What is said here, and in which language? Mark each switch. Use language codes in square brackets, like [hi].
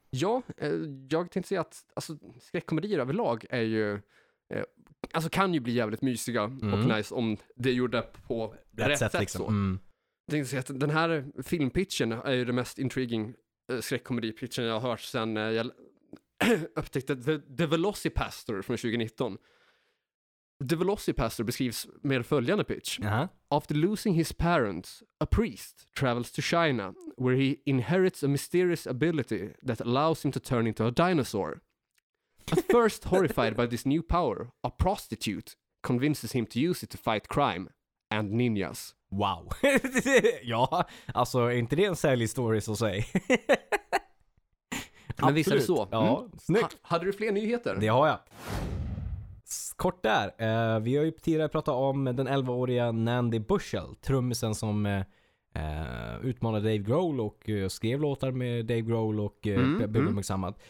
[sv] Ja, jag tänkte säga att alltså, skräckkomedier överlag är ju alltså kan ju bli jävligt mysiga och nice om det gjorde på rätt sätt liksom. Så. Mm. Jag tänkte säga att den här filmpitchen är ju det mest intriguing skräckkomedipitchen jag har hört sen jag upptäckte The Velocipastor från 2019. The Velocipastor beskrivs med följande pitch. Uh-huh. [en] After losing his parents, a priest travels to China, where he inherits a mysterious ability that allows him to turn into a dinosaur. At first horrified by this new power, a prostitute convinces him to use it to fight crime and ninjas. Wow. [sv] Ja, alltså, är inte det en särlig story så att säga? Men visst är det så. Ja, snyggt. Hade du fler nyheter? Det har jag. Kort där. Vi har ju tidigare pratat om den 11-åriga Nandi Bushell, trummisen som utmanade Dave Grohl och skrev låtar med Dave Grohl och blev uppmärksammad.